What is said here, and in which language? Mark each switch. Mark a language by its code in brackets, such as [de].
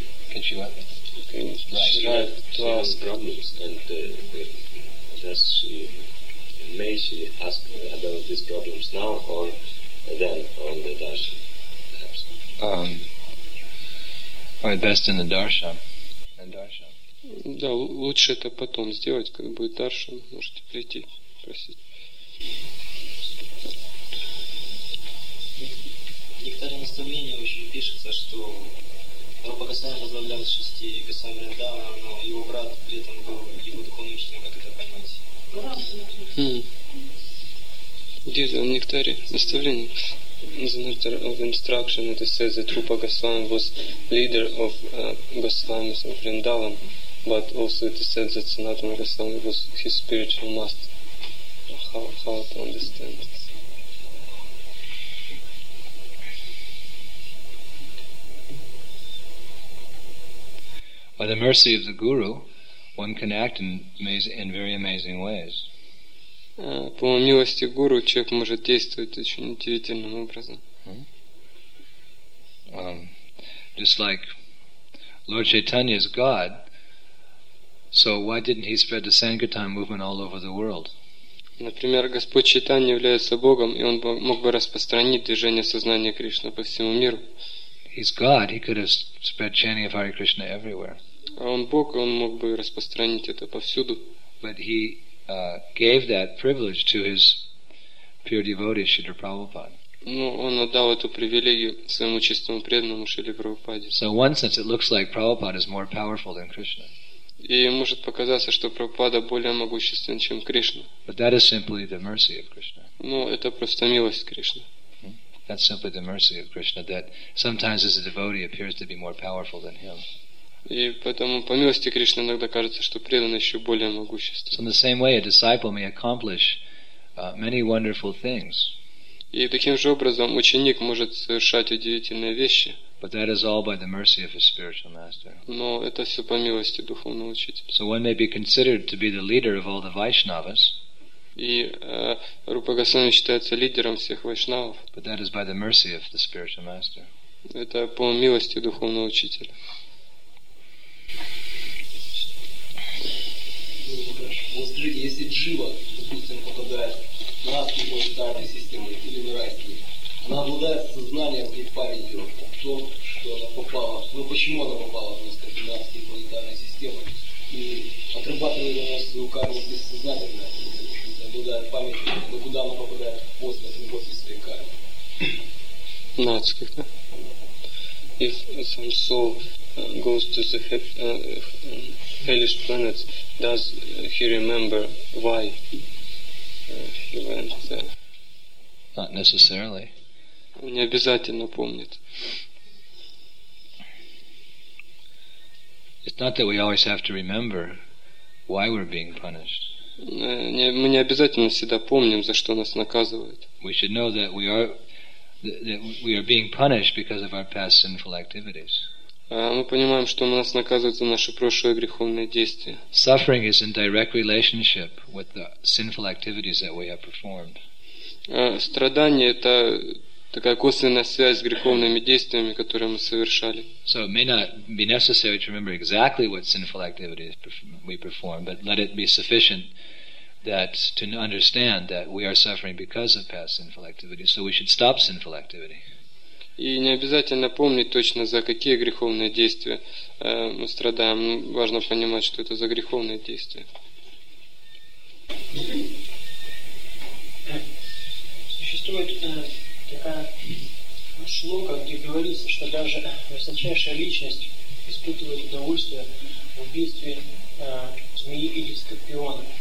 [en] Can she what? Can she right to she ask? Has problems and does she, may she ask about these problems now or then on the darshan? Probably best in the darshan. In darshan. [ru] Да, лучше это потом сделать, когда будет даршан. Можете прийти, просить. Некоторые наставления очень пишется, что Рупа Госвами возглавлял шести Госвами Риндава, но его брат при этом был его духовным учителем, как это понимаете? Где там некоторые наставления? [en] In the matter of instruction, it is said that Rupa Goswami was leader of Goswami's of Vrindavan, but also it is said that Sanatana Goswami was his spiritual master. How to understand this? By the mercy of the Guru, one can act in very amazing ways. [ru] По милости Гуру человек может действовать очень удивительным образом. [en] Just like Lord Chaitanya is God, so why didn't he spread the Sankirtan movement all over the world? [ru] Например, Господь Чайтанья является Богом, и он мог бы распространить движение сознания Кришны по всему миру. [en] He's God, he could have spread chanting of Hare Krishna everywhere. [ru] А он Бог, он мог бы распространить это повсюду. [en] But he gave that privilege to his pure devotee Śrīla Prabhupāda. [ru] Ну, он отдал эту привилегию своему чистому преданному Шриле Прабхупаде. [en] So in one sense, it looks like Prabhupada is more powerful than Krishna. [ru] И может показаться, что Прабхупада более могуществен, чем Кришна. [en] But that is simply the mercy of Krishna. [ru] Ну, это просто милость Кришны. [en] That's simply the mercy of Krishna that sometimes as a devotee appears to be more powerful than him. [ru] И поэтому по милости Кришны иногда кажется, что преданный еще более могуществен. [en] So in the same way, a disciple may accomplish many wonderful things. [ru] И таким же образом ученик может совершать удивительные вещи. [en] But that is all by the mercy of his spiritual master. [ru] Но это все по милости духовного учителя. [en] So one may be considered to be the leader of all the Vaishnavas. [ru] И Рупа Госвами считается лидером всех вайшнавов. [en] But that is by the mercy of the spiritual master. [ru] Это по милости духовного учителя. Вот скажите, если джива, допустим, попадает в разные божественные системы или в райские, она обладает сознанием и памятью о том, что она попала. Но почему она попала, так сказать, в разные планетарные системы? И отрабатывает она свою карму бессознательно, обладает памятью, но куда она попадает после отработки своей кармы? Нацких, да? [en] If some soul goes to the hellish planet, does he remember why he went there? Not necessarily. [ru] Не обязательно помнит. [en] It's not that we always have to remember why we're being punished. [ru] Мы не обязательно всегда помним, за что нас наказывают. [en] We should know that we are being punished because of our past sinful activities. [ru] Мы понимаем, что нас наказывают за наши прошлые греховные действия. [en] Suffering is in direct relationship with the sinful activities that we have performed. [ru] Страдание — это такая косвенная связь с греховными действиями, которые мы совершали. [en] So it may not be necessary to remember exactly what sinful activities we perform, but let it be sufficient that to understand that we are suffering because of past sinful activities, so we should stop sinful activity. [ru] И не обязательно помнить точно, за какие греховные действия мы страдаем. Важно понимать, что это за греховные действия. Существует такая шлока, где говорится, что даже высочайшая личность испытывает удовольствие в убийстве змеи или скорпиона.